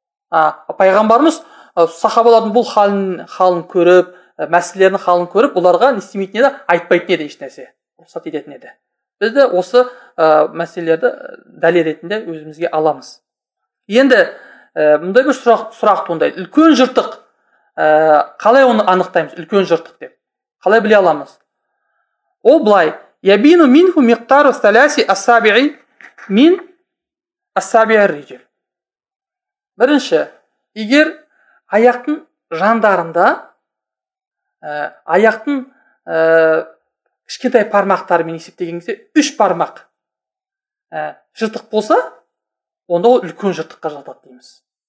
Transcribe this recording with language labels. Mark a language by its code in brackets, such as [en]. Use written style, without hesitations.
[kk] Пайғамбарымыз сахабалардың бұл халын көріп, мәселелерінің халын көріп, оларға не істемейтін еді, айтпайтын еді ешнәрсе. Рұқсат ететін еді. Біз де осы мәселелерді дәлел ретінде өзімізге аламыз. Енді мұндай бір сұрақ туындайды. Үлкен жыртық, қалай оны анықтаймыз, үлкен жыртық деп? Қалай біле аламыз? Ол былай, [ar] ябину минху миқтару саляси ассабиғи мин ассабиғи рижел. [kk] Бірінші, егер аяқтың жандарында, аяқтың кішкентай пармақтарымен есептегенде, үш пармақ жыртық болса, онда ол үлкен жыртыққа жатады дейміз.